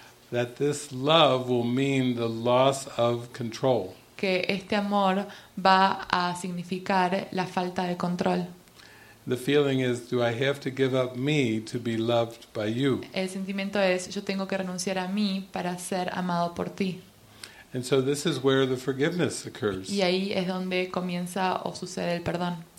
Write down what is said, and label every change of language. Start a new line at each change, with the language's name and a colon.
English: That this love will mean the loss of control.
Spanish: Que este amor va a significar la falta de control.
English: The feeling is, do I have to give up me to be loved by you?
Spanish: El sentimiento es, yo tengo que renunciar a mí para ser amado por ti.
English: And so this is where the forgiveness occurs.
Spanish: Y ahí es donde comienza o sucede el perdón.